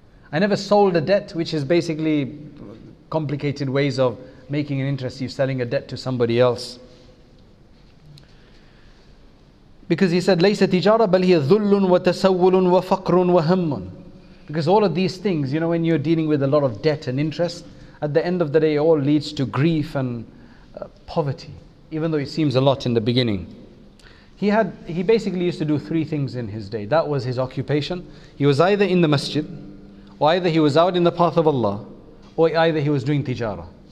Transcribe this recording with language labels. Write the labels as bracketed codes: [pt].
[en] I never sold a debt, which is basically complicated ways of making an interest, you selling a debt to somebody else. Because he said, [ar] لَيْسَ تِجَارَةً بَلْ هِيَ ذُلٌّ وَتَسَوُّلٌ وَفَقْرٌ وَهَمٌّ. [en] Because all of these things, you know, when you're dealing with a lot of debt and interest, at the end of the day, it all leads to grief and poverty, even though it seems a lot in the beginning. He basically used to do three things in his day. That was his occupation. He was either in the masjid, or either he was out in the path of Allah, or either he was doing tijara.